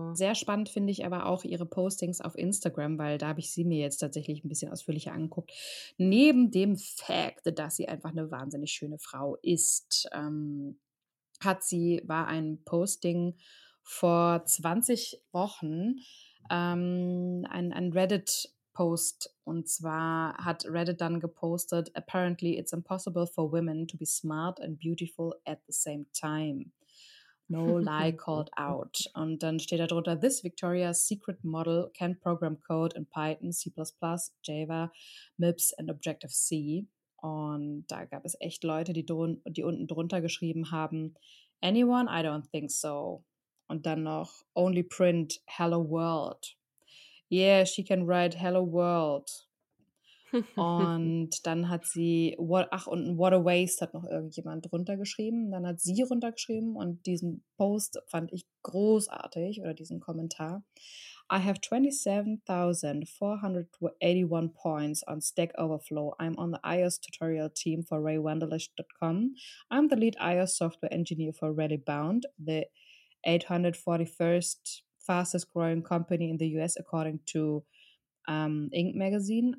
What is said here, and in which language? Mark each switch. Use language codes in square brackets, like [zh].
[de] Also, sehr spannend finde ich aber auch ihre Postings auf Instagram, weil da habe ich sie mir jetzt tatsächlich ein bisschen ausführlicher angeguckt. Neben dem Fact, dass sie einfach eine wahnsinnig schöne Frau ist, war ein Posting vor 20 Wochen ein Reddit-Post. Und zwar hat Reddit dann gepostet, [en] apparently it's impossible for women to be smart and beautiful at the same time. No lie called out. [de] Und dann steht da drunter, [en] this Victoria's Secret model can program code in Python, C++, Java, MIPS and Objective-C. [de] Und da gab es echt Leute, die unten drunter geschrieben haben, [en] anyone? I don't think so. [de] Und dann noch, [en] only print hello world. Yeah, she can write hello world. [de] Und dann hat sie, und [en] what a waste [de] hat noch irgendjemand drunter geschrieben. Dann hat sie runtergeschrieben und diesen Post fand ich großartig oder diesen Kommentar. [en] I have 27,481 points on Stack Overflow. I'm on the iOS tutorial team for raywenderlich.com. I'm the lead iOS software engineer for Rallybound, the 841st fastest growing company in the US according to Inc. magazine.